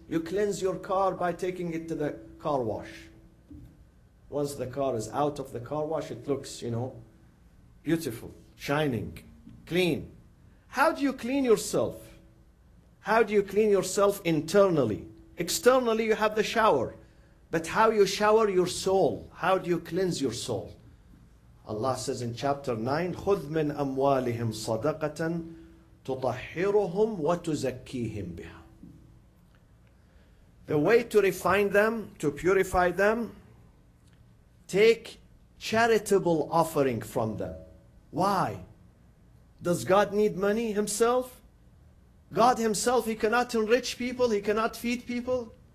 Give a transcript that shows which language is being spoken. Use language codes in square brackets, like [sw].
[en] You cleanse your car by taking it to the car wash. Once the car is out of the car wash, it looks, you know, beautiful, shining, clean. How do you clean yourself? How do you clean yourself internally? Externally, you have the shower. But how you shower your soul? How do you cleanse your soul? Allah says in chapter 9, [ar] خُذْ مِنْ أَمْوَالِهِمْ صَدَقَةً تُطَحِّرُهُمْ وَتُزَكِّيهِمْ بِهَا. [en] The way to refine them, to purify them, take charitable offering from them. Why? Does God need money himself? God himself, he cannot enrich people, he cannot feed people.